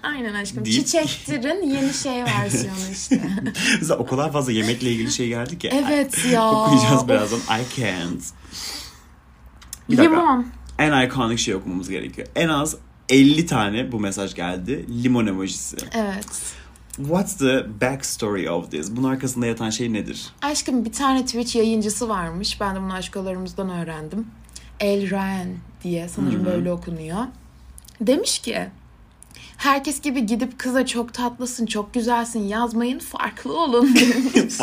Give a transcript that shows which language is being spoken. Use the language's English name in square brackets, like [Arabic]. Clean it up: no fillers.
[Turkish] Aynen aşkım. Deyip... Çiçektir'in yeni şey versiyonu işte. Mesela o kadar fazla yemekle ilgili şey geldi ki. Evet ya. Okuyacağız birazdan. [English] I can't. [Turkish] Limon. En iconic şey okumamız gerekiyor. En az 50 tane bu mesaj geldi. Limon emojisi. Evet. [English] What's the backstory of this? [Turkish] Bunun arkasında yatan şey nedir? Aşkım bir tane Twitch yayıncısı varmış. Ben de bunu aşkolarımızdan öğrendim. El Ryan diye sanırım hmm. böyle okunuyor. Demiş ki herkes gibi gidip kıza çok tatlısın, çok güzelsin yazmayın farklı olun demiş.